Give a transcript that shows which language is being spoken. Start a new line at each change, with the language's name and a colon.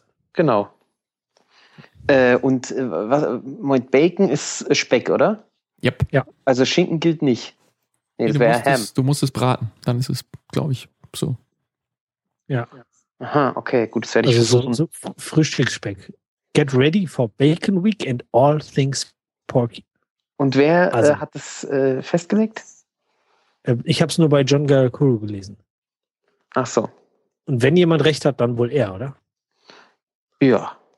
German: an. Genau. Und was, mit Bacon ist Speck, oder?
English: Yep.
German: Ja. Also Schinken gilt nicht. Nee, es wäre Ham. Du musst es braten. Dann ist es, glaube ich, so. Ja. Aha, okay, gut, das werde ich versuchen. So Frühstücksspeck.
English: Get ready for Bacon Week and all things porky.
German: Und wer also, hat das festgelegt? Ich habe es nur bei John Garakuru gelesen. Ach so. Und wenn jemand recht hat, dann wohl er, oder? Ja.